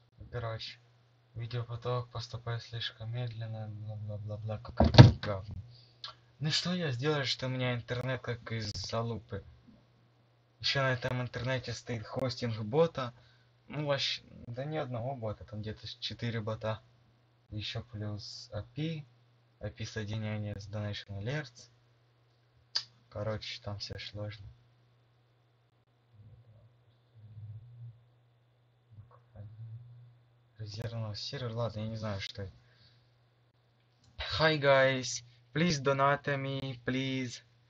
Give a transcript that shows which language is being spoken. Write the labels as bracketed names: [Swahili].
[Russian] Короче, видеопоток поступает слишком медленно, бла-бла-бла-бла, какая-то говна. Ну что я сделаю, что у меня интернет как из залупы. Еще на этом интернете стоит хостинг бота. Ну вообще, да ни одного бота, там где-то 4 бота. Еще плюс API. API соединение с Donation Alerts. Короче, там все сложно. Резервного сервера, ладно, я не знаю, что это. [English] Hi guys! Please donate me, please.